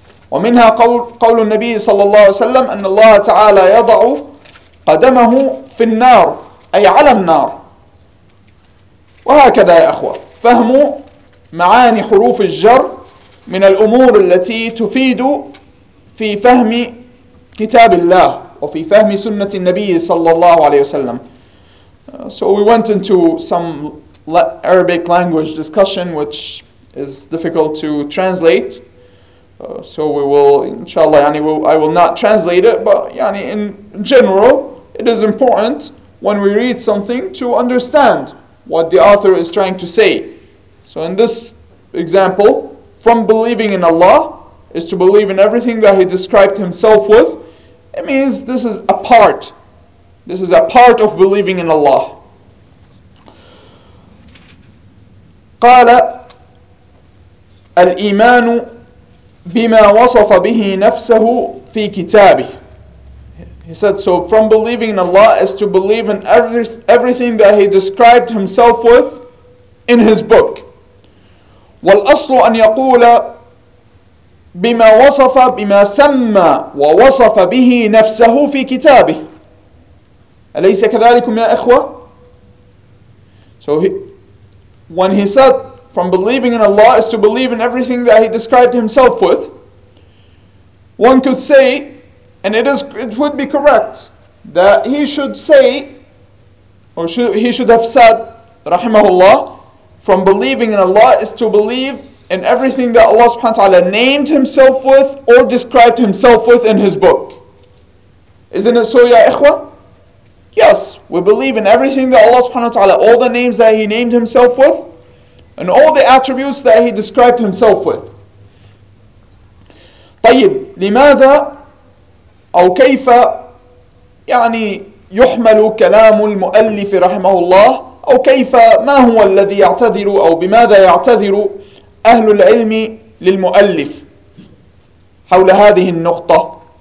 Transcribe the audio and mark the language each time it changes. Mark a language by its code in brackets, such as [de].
[ar] ومنها قول النبي صلى الله عليه وسلم أن الله تعالى يضع قدمه في النار، أي على النار. وهكذا يا أخوة، فهم معاني حروف الجر من الأمور التي تفيد في فهم كتاب الله وفي فهم سنة النبي صلى الله عليه وسلم. [en] So we went into some Arabic language discussion which is difficult to translate. So we will, inshallah, I will not translate it, but in general, it is important when we read something to understand what the author is trying to say. So in this example, from believing in Allah is to believe in everything that he described himself with. It means this is a part. This is a part of believing in Allah. [ar] قال الإيمان بما وصف به نفسه في كتابه. [en] He said, so from believing in Allah is to believe in everything that he described himself with in his book. [ar] والأصل أن يقول بما وصف بما سمى ووصف به نفسه في كتابه. أليس كذلكم يا إخوة؟ [en] So when he said from believing in Allah is to believe in everything that he described himself with. One could say, and it would be correct, that he should say, he should have said, rahimahullah, from believing in Allah is to believe in everything that Allah subhanahu wa ta'ala named himself with or described himself with in his book. Isn't it so, ya ikhwah? Yes, we believe in everything that Allah subhanahu wa ta'ala, all the names that he named himself with, and all the attributes that he described himself with. [ar] طيب, لماذا أو كيف يعني يحمل كلام المؤلف رحمه الله أو كيف ما هو الذي يعتذر أو بماذا يعتذر أهل العلم للمؤلف حول هذه النقطة؟